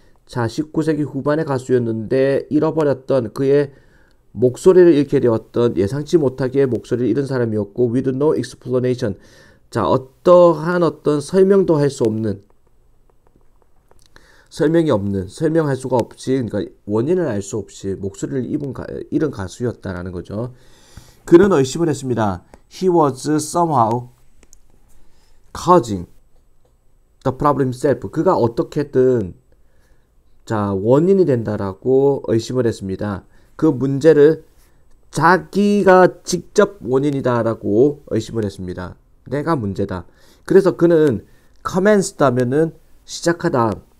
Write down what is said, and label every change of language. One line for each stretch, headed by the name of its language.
Korean: 자, 19세기 후반의 가수였는데 잃어버렸던 그의 목소리를 잃게 되었던 예상치 못하게 목소리를 잃은 사람이었고,
English: with no explanation.
Korean: 자, 어떠한 설명도 할수 없는, 설명이 없는, 설명할 수가 없이, 그러니까 원인을 알수 없이 목소리를 잃은 가수였다라는 거죠. 그는 의심을 했습니다.
English: He was somehow causing the problem himself.
Korean: 그가 어떻게든, 자, 원인이 된다라고 의심을 했습니다. 그 문제를 자기가 직접 원인이다라고 의심을 했습니다. 내가 문제다. 그래서 그는 commenced 하면은 시작하다.